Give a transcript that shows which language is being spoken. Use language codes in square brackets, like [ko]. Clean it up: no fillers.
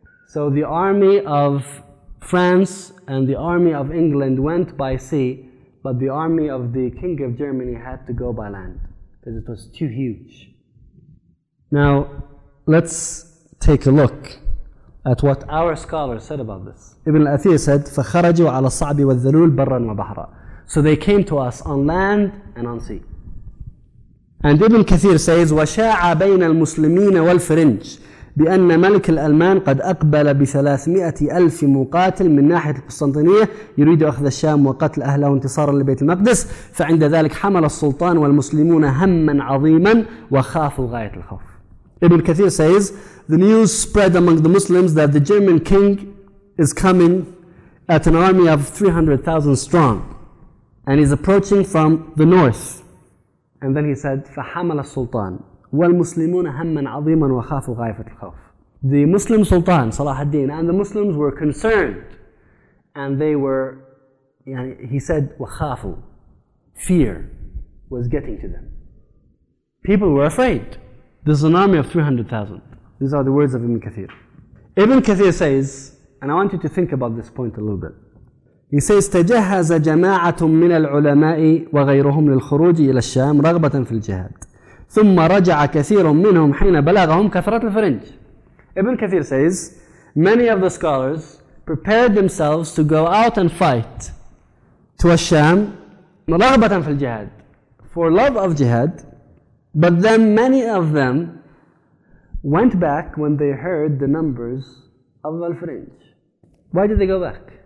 [en] So the army of France and the army of England went by sea, but the army of the King of Germany had to go by land because it was too huge. Now let's take a look at what our scholars said about this. Ibn al-Athir said, [ar] فَخَرَجُوا عَلَى الصَّعْبِ وَالذَّلُولِ بَرًّا وَبَحْرًا. [en] So they came to us on land and on sea. And Ibn Kathir says, [ar] وَشَاعَ بَيْنَ الْمُسْلِمِينَ وَالْفِرِنْجِ بِأَنَّ مَلِكَ الْأَلْمَانِ قَدْ أَقْبَلَ بِثَلَاثْمِئَةِ أَلْفِ مُقَاتِلٍ مِنْ نَاحِيَةِ الْقُسْطَنْطِينِيَةِ يُرِيدُ أَخْذَ الشَّامِ وَقَتْلَ أَهْلَهُ وَانْتِصَارًا لِبَيْتِ الْمَقْدِسِ فَعِنْدَ ذَلِكَ حَمَلَ السُّلْطَانُ وَالْمُسْلِمُونَ هَمًّا عَظِيمًا وَخَافُوا غَايَةَ الْخَوْفِ. [en] Ibn Kathir says, the news spread among the Muslims that the German king is coming at an army of 300,000 strong and is approaching from the north. And then he said, [ar] فَحَمَلَ السُّلْطَانُ وَالْمُسْلِمُونَ هَمَّنْ عَظِيمًا وَخَافُوا غَايَةَ الْخَوْفِ. [en] The Muslim Sultan, Salah ad-Din, and the Muslims were concerned. And they were, he said, [ar] وَخَافُوا. [en] Fear was getting to them. People were afraid. This is an army of 300,000. These are the words of Ibn Kathir. Ibn Kathir says, and I want you to think about this point a little bit. He says, [ar] تَجَهَّزَ جَمَاعَةٌ مِّنَ الْعُلَمَاءِ وَغَيْرُهُمْ لِلْخُرُوجِ إِلَى الشَّامِ رَغْبَةً فِي الْجِهَادِ. ثم رجع كثير منهم حين بلغهم كثرة الفرنج. [en] Ibn Kathir says, many of the scholars prepared themselves to go out and fight to Al-Sham, [ar] رغبة في الجهاد, [en] for love of jihad. But then many of them went back when they heard the numbers of Al-Fringe. Why did they go back?